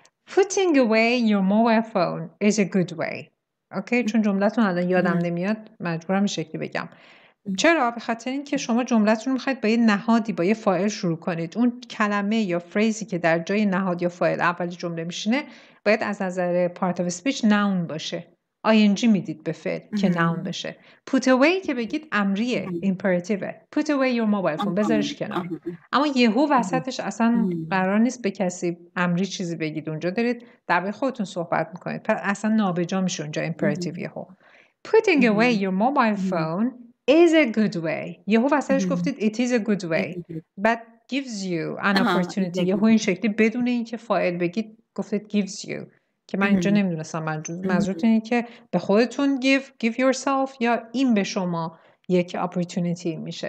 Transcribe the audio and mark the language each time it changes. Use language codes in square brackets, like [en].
[en] Putting away your mobile phone is a good way. [fa] اوکی؟ چون جملتون الان یادم نمیاد مجبورم این شکلی بگم. چرا؟ به خاطر این که شما جملتون رو میخواید با یه نهادی با یه فاعل شروع کنید. اون کلمه یا فریزی که در جای نهاد یا فاعل اول جمله میشینه باید از نظر part of speech noun باشه. ing میدید به فعل که noun بشه. Put away که بگید امریه. Imperative. [en] Put away your mobile phone. [fa] بذارش کنار. اما یهو وسطش اصلا قرار نیست به کسی امری چیزی بگید. اونجا دارید در باره خودتون صحبت میکنید. پس اصلا نابجا میشه اونجا imperative یهو. [en] Putting away your mobile phone is a good way. [fa] یهو وسطش گفتید [en] it is a good way. But gives you an opportunity. [fa] یهو این شکلی بدون این که فاعل بگید گفتید gives you. که من اینجا نمیدونستم منظورت اینه که به خودتون give yourself یا این به شما یک opportunity میشه.